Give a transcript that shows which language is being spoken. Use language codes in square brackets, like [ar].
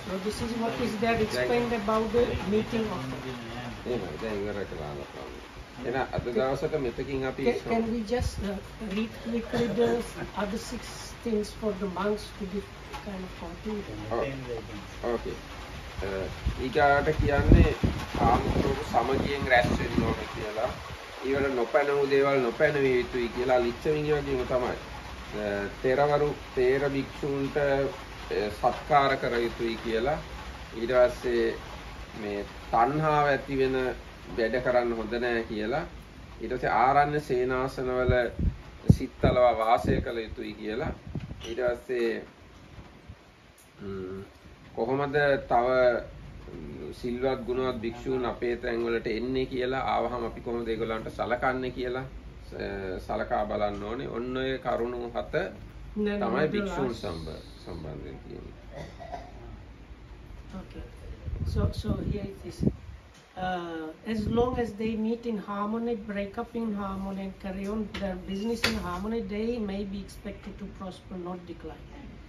[en] This is what is there explained about the meeting of [si] the එහෙමයි දැන් ඉවර කරලා බලන්න. එහෙනම් අද දවසට මෙතකින් අපි [en] can we just read quickly the other six things for the monks to be kind of complete. Okay. [si] ඊගාට කියන්නේ ආමතුරු සමගියෙන් රැස් වෙන්න ඕන කියලා. ඊවල නොපැනවු දේවල් නොපැනවිය යුතුයි කියලා ලිච්ඡවිගේ වගේම තමයි. තෙරවරු තේර භික්ෂූන්ට සත්කාර කර යුතුයි කියලා. ඊට පස්සේ මේ තණ්හාව ඇති වෙන වැඩ කරන්න හොඳ නැහැ කියලා. ඊට පස්සේ ආරණ්‍ය සේනාසනවල සිත්තලව වාසය කළ යුතුයි කියලා. ඊට පස්සේ කොහොමද තව සිල්වත් ගුණවත් භික්ෂූන් අපේ තැන්වලට එන්නේ කියලා ආවහම අපි කොහොමද ඒගොල්ලන්ට සලකන්නේ කියලා සලකා බලන්න ඕනේ. ඔන්න ඔය කරුණු හත තමයි භික්ෂූන් සම්බන්ධයෙන් තියෙන්නේ. [en] Okay. So here it is. As long as they meet in harmony, break up in harmony, and carry on their business in harmony, they may be expected to prosper, not decline.